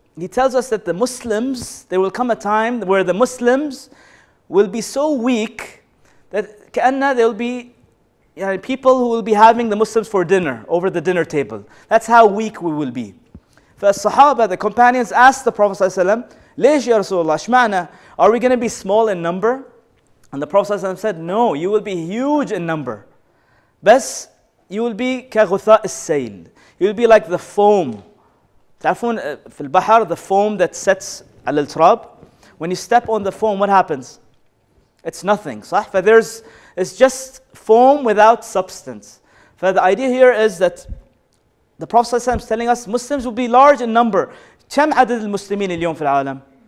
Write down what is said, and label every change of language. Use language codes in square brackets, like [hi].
[en] He tells us that the Muslims, there will come a time where the Muslims will be so weak that كأنه they'll be people who will be having the Muslims for dinner over the dinner table. That's how weak we will be. فالصحابة, the companions asked the Prophet ﷺ, ليش يا رسول الله شمعنا? Are we going to be small in number? And the Prophet ﷺ said, no, you will be huge in number. بس, you will be كغثاء السيل. You will be like the foam. تعرفون في البحر, the foam that sets على التراب. When you step on the foam, what happens? It's nothing, صح? It's just foam without substance. The idea here is that the Prophet ﷺ is telling us Muslims will be large in number. [ar] كم عدد المسلمين اليوم في العالم?